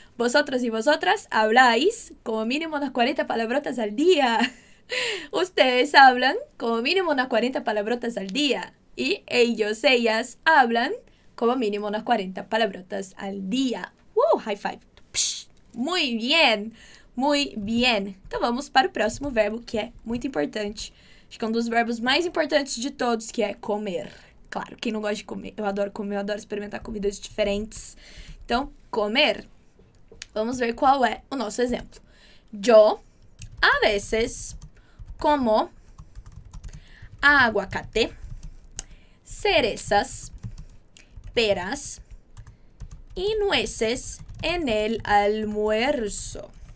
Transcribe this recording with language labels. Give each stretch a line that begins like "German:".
Spanish: Vosotros y vosotras habláis, como mínimo unas 40 palabrotas al día. Ustedes hablan, como mínimo unas 40 palabrotas al día. Y ellos, ellas hablan como mínimo unas 40 palabrotas al día. ¡Woo!
English: High five.
Spanish: ¡Psh! Muy bien. Muy bien.
Portuguese: Então vamos para o próximo verbo, que é muito importante. Acho que é um dos verbos mais importantes de todos, que é comer. Claro, quem não gosta de comer? Eu adoro comer, eu adoro experimentar comidas diferentes. Então, comer. Vamos ver qual é o nosso exemplo.
Spanish: Yo, a veces, como aguacate, cerezas, peras y nueces en el almuerzo.